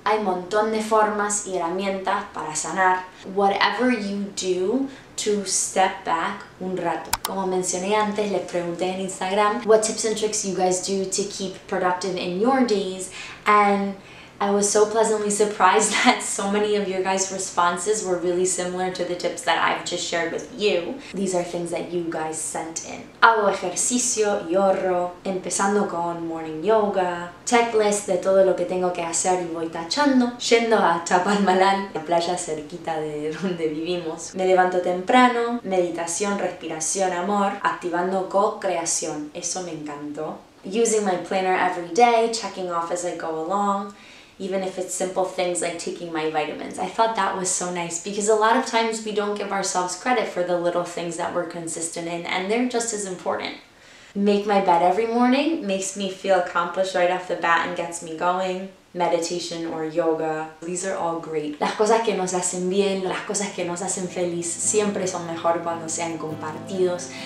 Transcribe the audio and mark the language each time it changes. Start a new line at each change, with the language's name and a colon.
Spanish: Hay un montón de formas y herramientas para sanar.
English: Whatever you do to step back
Spanish: un rato. Como mencioné antes, les pregunté en Instagram
English: what tips and tricks you guys do to keep productive in your days, and I was so pleasantly surprised that so many of your guys' responses were really similar to the tips that I've just shared with you. These are things that you guys sent in.
Spanish: Hago ejercicio, lloro, empezando con
English: morning yoga,
Spanish: checklist de todo lo que tengo que hacer y voy tachando, yendo a Chapalmalal, la playa cerquita de donde vivimos. Me levanto temprano, meditación, respiración, amor, activando co-creación. Eso me encantó.
English: Using my planner every day, checking off as I go along. Even if it's simple things like taking my vitamins. I thought that was so nice because a lot of times we don't give ourselves credit for the little things that we're consistent in, and they're just as important. Make my bed every morning makes me feel accomplished right off the bat and gets me going. Meditation or yoga. These are all great.
Spanish: Las cosas que nos hacen bien, las cosas que nos hacen feliz, siempre son mejor cuando sean compartidos.